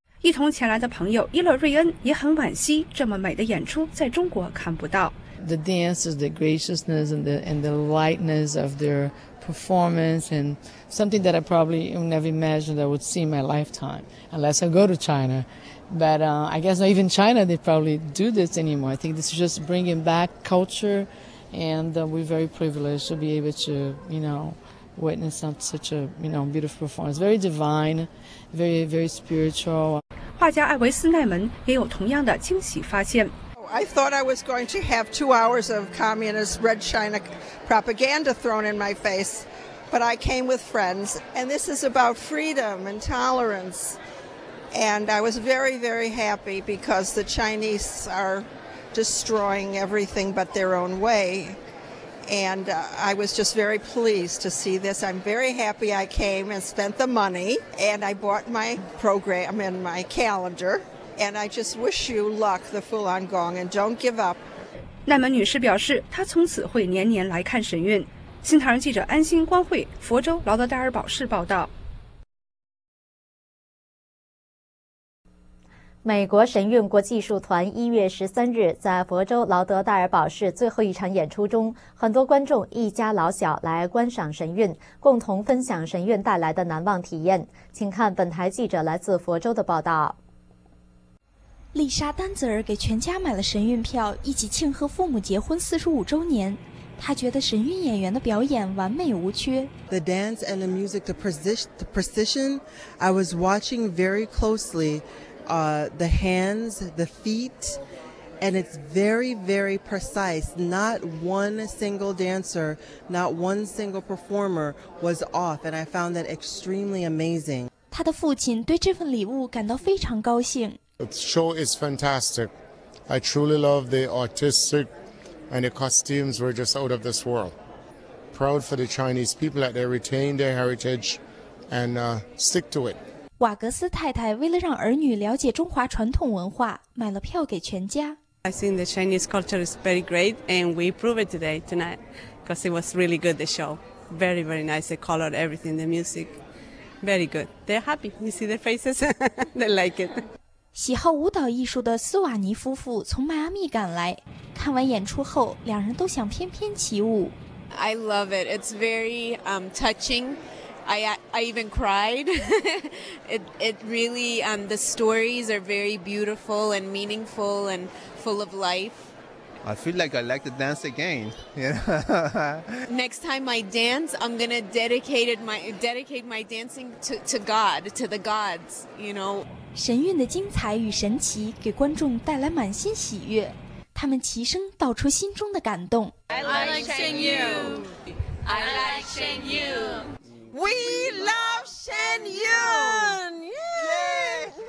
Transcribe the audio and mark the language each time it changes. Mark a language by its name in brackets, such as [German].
[Chinese] 一同前来的朋友伊勒瑞恩也很惋惜这么美的演出在中国看不到。 [English] The dances, the graciousness and the lightness of their performance and something that I probably never imagined I would see in my lifetime, unless I go to China. But I guess not even China, they probably do this anymore. I think this is just bringing back culture, and we're very privileged to be able to, you know, witness such a, you know, beautiful performance. Very divine, very, very spiritual. [Chinese] 画家艾维斯奈门也有同样的惊喜发现。 [English] I thought I was going to have 2 hours of communist Red China propaganda thrown in my face, but I came with friends, and this is about freedom and tolerance. And I was very, very happy because the Chinese are destroying everything but their own way. And I was just very pleased to see this. I'm very happy I came and spent the money. And I bought my program and my calendar. And I just wish you luck, the Fulan Gong, and don't give up. [Chinese] 奈门女士表示她从此会年年来看神韵。新唐人记者安心光慧，佛州劳德戴尔堡市报道。美国神韵国际艺术团一月十三日在佛州劳德戴尔堡市最后一场演出中，很多观众一家老小来观赏神韵，共同分享神韵带来的难忘体验。请看本台记者来自佛州的报道。丽莎·丹泽尔给全家买了神韵票，一起庆贺父母结婚45周年。她觉得神韵演员的表演完美无缺。 [English] The dance and the music, the precision, I was watching very closely. The hands, the feet, and it's very, very precise. Not one single dancer, not one single performer was off, and I found that extremely amazing. [Chinese] 他的父亲对这份礼物感到非常高兴。 [English] The show is fantastic. I truly love the artistic, and the costumes were just out of this world. Proud for the Chinese people that they retain their heritage and stick to it. [Chinese] 瓦格斯太太为了让儿女了解中华传统文化，买了票给全家。 [English] I think the Chinese culture is very great, and we prove it today, tonight, because it was really good, the show. Very, very nice. They colored everything, the music. Very good. They're happy. You see their faces? They like it. [Chinese] 喜好舞蹈艺术的斯瓦尼夫妇从迈阿密赶来，看完演出后，两人都想翩翩起舞。 [English] I love it. It's very touching. I even cried. it really, the stories are very beautiful and meaningful and full of life. I feel like I like to dance again. You know? Next time I dance, I'm going to dedicate my dancing to God, to the gods, you know. [Chinese] 神韵的精彩与神奇给观众带来满心喜悦，他们齐声道出心中的感动。 [English] I like Shen Yu. I like Shen Yu. We love Shen Yun! Yay!